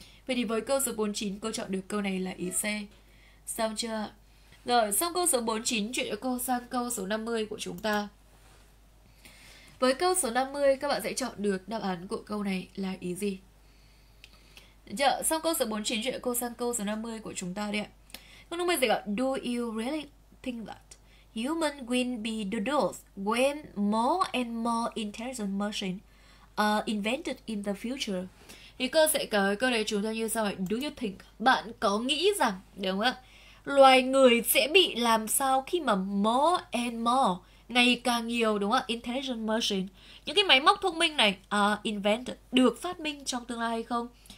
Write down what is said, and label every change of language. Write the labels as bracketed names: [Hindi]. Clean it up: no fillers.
[Vietnamese] Vậy thì với câu số 49, cô chọn được câu này là ý C. Xong chưa? Rồi, xong câu số 49, chuyển cho cô sang câu số 50 của chúng ta. Với câu số 50, các bạn sẽ chọn được đáp án của câu này là ý gì? Được chưa? Xong câu số 49, chuyển cho cô sang câu số 50 của chúng ta đi ạ. Câu 50 gì ạ? [English] Do you really think that human will be the doors when more and more intelligent machine are invented in the future? [Vietnamese] Thì cơ sẽ có câu này chúng ta như sau này. [English] Do you think? [Vietnamese] Bạn có nghĩ rằng, đúng không ạ? Loài người sẽ bị làm sao khi mà [English] more and more, [Vietnamese] ngày càng nhiều, đúng không ạ? [English] Intelligent machine, [Vietnamese] những cái máy móc thông minh này [English] are invented, [Vietnamese] được phát minh trong tương lai hay không?